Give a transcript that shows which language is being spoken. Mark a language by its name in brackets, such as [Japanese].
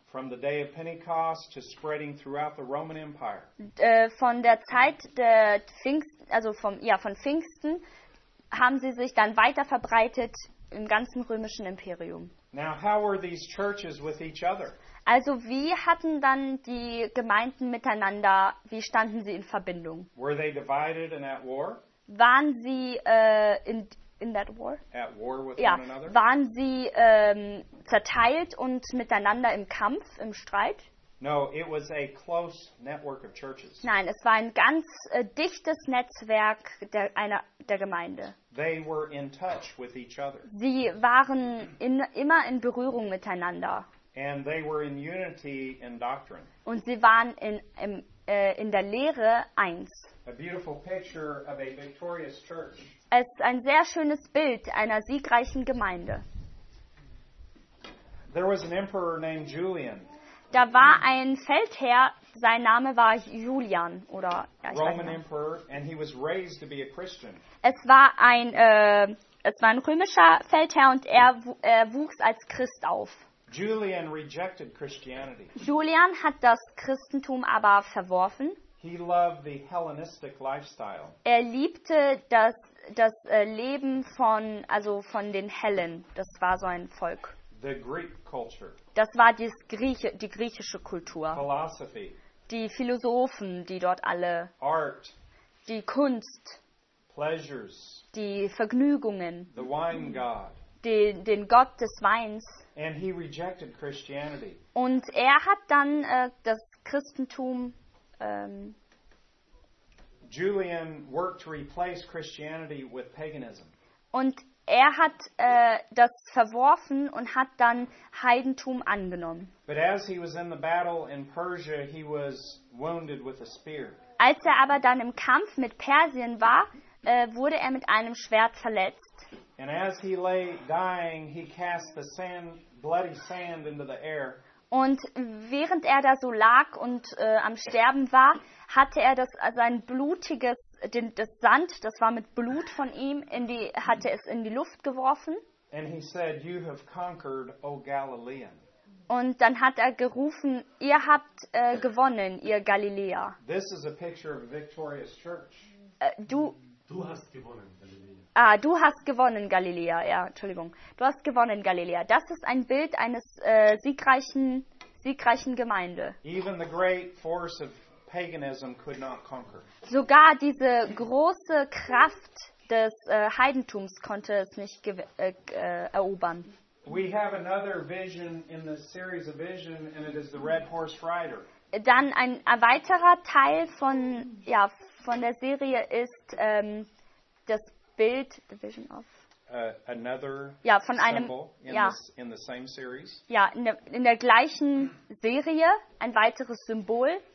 [English] From the day of Pentecost to spreading throughout the Roman Empire. [German] Von der Zeit der Pfingsten, von Pfingsten, haben sie sich dann weiter verbreitet im ganzen römischen Imperium. [English] Now, how were these churches with each other? [German] Also, wie hatten dann die Gemeinden miteinander, wie standen sie in Verbindung? [English] Were they divided and at war? [German] Waren sie in [English] that war? At war with one another? [German] Waren sie zerteilt und miteinander im Kampf, im Streit? [English] No, it was a close network of churches. [German] Nein, es war ein ganz dichtes Netzwerk der Gemeinde. [English] They were in touch with each other. [German] Sie waren immer in Berührung miteinander. [English] And they were in unity in doctrine. [German] Und sie waren in der Lehre eins. [English] A beautiful picture of a victorious church. [German] Es ist ein sehr schönes Bild einer siegreichen Gemeinde. [English] There was an emperor named Julian. [German] Da war ein Feldherr, sein Name war Julian. [English] Roman emperor, and he was raised to be a Christian. [German] Es war ein römischer Feldherr und er wuchs als Christ auf. [English] Julian rejected Christianity. [German] Julian hat das Christentum aber verworfen. [English] He loved the Hellenistic lifestyle. [German] Er liebte das das Leben von, also von den Hellen. Das war so ein Volk. [English] The Greek culture. [German] Das war die griechische Kultur. [English] Philosophy. [German] Die Philosophen, die dort alle. [English] Art. [German] Die Kunst. [English] Pleasures. [German] Die Vergnügungen. [English] The wine god. [German] Den Gott des Weins. [English] And he rejected Christianity. [German] Und er hat dann das Christentum. [English] Julian worked to replace Christianity with paganism. [German] Und er hat das verworfen und hat dann Heidentum angenommen. [English] But as he was in the battle in Persia, he was wounded with a spear. [German] Als er aber dann im Kampf mit Persien war, wurde er mit einem Schwert verletzt. [English] And as he lay dying, he cast the sand, bloody sand into the air. [German] Und während er da so lag und am Sterben war, hatte er das sein blutiges den, das Sand, das war mit Blut von ihm, in die hatte es in die Luft geworfen. [English] And he said, "You have conquered, O Galilean." [German] Und dann hat er gerufen, ihr habt gewonnen, ihr Galiläer. [English] This is a picture of a victorious church. [German] Du hast gewonnen, Galiläa. Ah, du hast gewonnen, Galiläa. Ja, Entschuldigung. Du hast gewonnen, Galiläa. Das ist ein Bild eines siegreichen Gemeinde. [English] Even the great force of paganism could not conquer. [German] Sogar diese große Kraft des Heidentums konnte es nicht erobern. [English] We have another vision in this series of vision, and it is the Red Horse Rider. [German] Dann ein weiterer Teil von der Serie ist das Bild, [English] the vision of. Another. [German] Ja, von einem. Ja. [English] In the same series. [German] Ja, in der gleichen Serie ein weiteres Symbol.